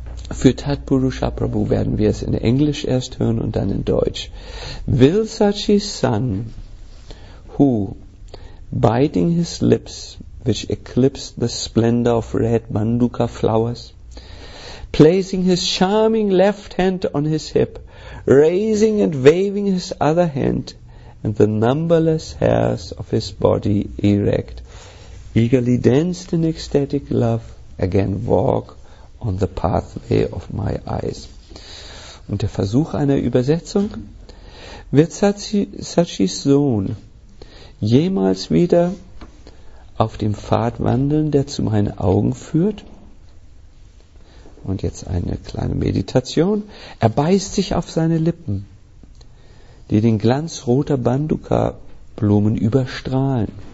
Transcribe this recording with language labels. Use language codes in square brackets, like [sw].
[de] Für Tat Purusha Prabhu werden wir es in Englisch erst hören und dann in Deutsch. [en] Will such his son, who, biting his lips, which eclipse the splendor of red manduka flowers, placing his charming left hand on his hip, raising and waving his other hand, and the numberless hairs of his body erect, eagerly danced in ecstatic love, again walk on the pathway of my eyes. [de] Und der Versuch einer Übersetzung: Wird Sachis Sohn jemals wieder auf dem Pfad wandeln, der zu meinen Augen führt? Und jetzt eine kleine Meditation. Er beißt sich auf seine Lippen, die den Glanz roter Banduka-Blumen überstrahlen.